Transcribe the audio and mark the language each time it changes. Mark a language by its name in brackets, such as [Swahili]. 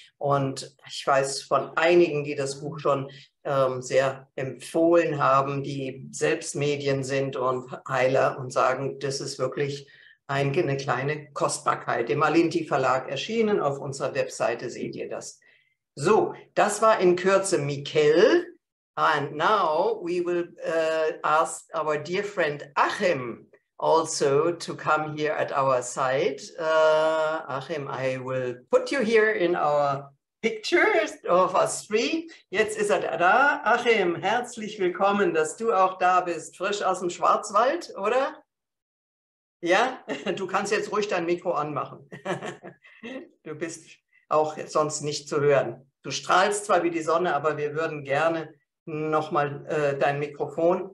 [German] Und ich weiß von einigen, die das Buch schon sehr empfohlen haben, die selbst Medien sind und Heiler und sagen, das ist wirklich eine kleine Kostbarkeit. Im Alinti Verlag erschienen, auf unserer Webseite seht ihr das. So, das war in Kürze Mikkel. [English] And now we will ask our dear friend Achim also to come here at our side. Achim, I will put you here in our pictures of us three. [German] Jetzt ist er da. Achim, herzlich willkommen, dass du auch da bist. Frisch aus dem Schwarzwald, oder? Ja, du kannst jetzt ruhig dein Mikro anmachen. Du bist auch sonst nicht zu hören. Du strahlst zwar wie die Sonne, aber wir würden gerne nochmal dein Mikrofon.